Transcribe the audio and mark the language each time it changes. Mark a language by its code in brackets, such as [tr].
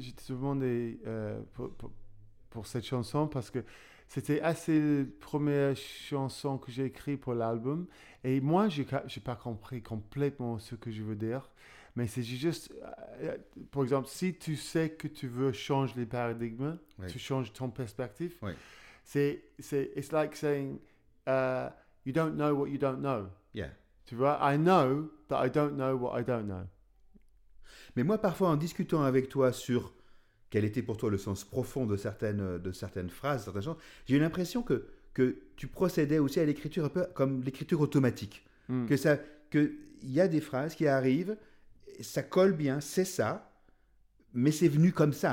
[fr] je te demandais pour cette chanson, parce que c'était assez la première chanson que j'ai écrite pour l'album. Et moi, je n'ai pas compris complètement ce que je veux dire. Mais c'est juste, pour exemple, si tu sais que tu veux changer les paradigmes, tu changes ton perspective. Oui. [en] It's like saying, you don't know what you don't know. Yeah. [fr] Tu vois, [en] I know that I don't know what I don't know. [fr] Mais moi, parfois, en discutant avec toi sur quel était pour toi le sens profond de certaines phrases, certaines choses, j'ai eu l'impression que tu procédais aussi à l'écriture un peu comme l'écriture automatique. Que ça, que y a des phrases qui arrivent, ça colle bien, c'est ça, mais c'est venu comme ça.